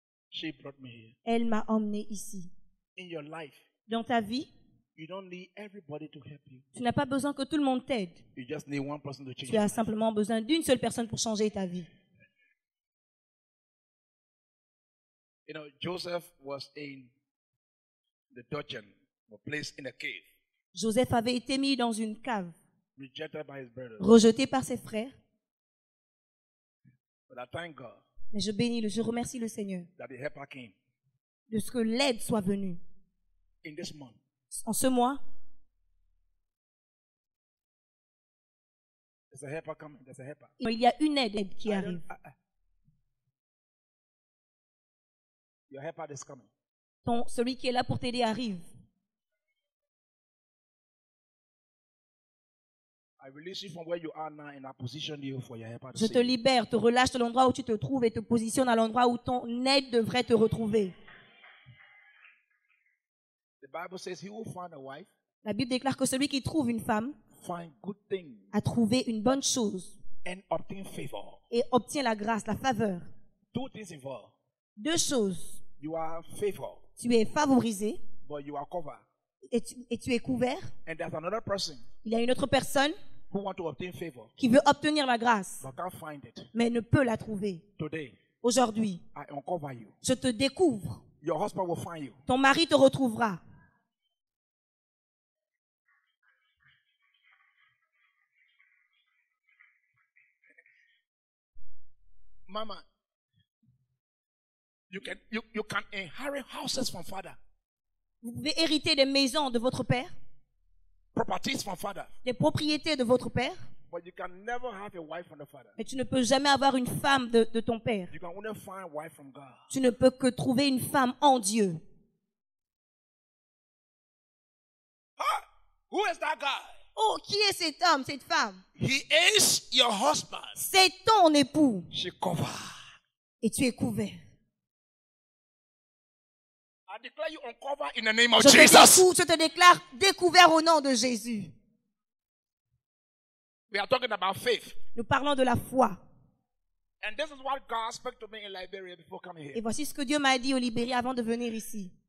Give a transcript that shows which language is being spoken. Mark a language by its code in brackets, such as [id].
[en] She brought me here. [fr] Elle m'a emmené ici. [en] In your life, [fr] dans ta vie, [en] you don't need everybody to help you. [fr] Tu n'as pas besoin que tout le monde t'aide. [en] You just need one person to change. [fr] Tu as simplement besoin d'une seule personne pour changer ta vie. [en] You know, Joseph was in the dungeon, a place in a cave. [fr] Joseph avait été mis dans une cave. [en] Rejected by his brothers. [fr] Rejeté par ses frères. [en] But I thank God. [fr] Mais je remercie le Seigneur. [en] That the help came. [fr] De ce que l'aide soit venue. [en] In this month. [fr] En ce mois. [en] There's a helper coming. There's a helper. [fr] Il y a une aide qui arrive. [en] Your helper is coming. [fr] Celui qui est là pour t'aider arrive. [en] I release you from where you are now and I position you for your help. [fr] Je te libère, te relâche de l'endroit où tu te trouves et te positionne à l'endroit où ton aide devrait te retrouver. [en] The Bible says he will find a wife. [fr] La Bible déclare que celui qui trouve une femme [en] find good thing [fr] a trouvé une bonne chose [en] and obtain favor. [fr] Et obtient la grâce, la faveur. [en] Two things involved. [fr] Deux choses. [en] You are favored. [fr] Tu es favorisé. [en] But you are covered. [fr] Et tu es couvert. [en] And there's another person. [fr] Il y a une autre personne. [en] Who want to obtain favor. [fr] Qui veut obtenir la grâce. [en] But can't find it. [fr] Mais ne peut la trouver. [en] Today. [fr] Aujourd'hui. [en] I uncover you. [fr] Je te découvre. [en] Your husband will find you. [fr] Ton mari te retrouvera. [en] Mama, you can inherit houses from father. [fr] Vous pouvez hériter des maisons de votre père. [en] Properties from father. [fr] Des propriétés de votre père. [en] But you can never have a wife from the father. [fr] Mais tu ne peux jamais avoir une femme de ton père. [en] You can only find a wife from God. [fr] Tu ne peux que trouver une femme en Dieu. [en] Huh? Who is that guy? [fr] Oh, qui est cet homme, cette femme? [en] He is your husband. [fr] C'est ton époux. Je couvre. Et tu es couvert. [en] I declare you uncovered in the name of Jesus. [fr] Je te déclare découvert au nom de Jésus. [en] We are talking about faith. [fr] Nous parlons de la foi. [en] And this is what God spoke to me in Liberia before coming here. [fr] Et voici ce que Dieu m'a dit au Libéria avant de venir ici.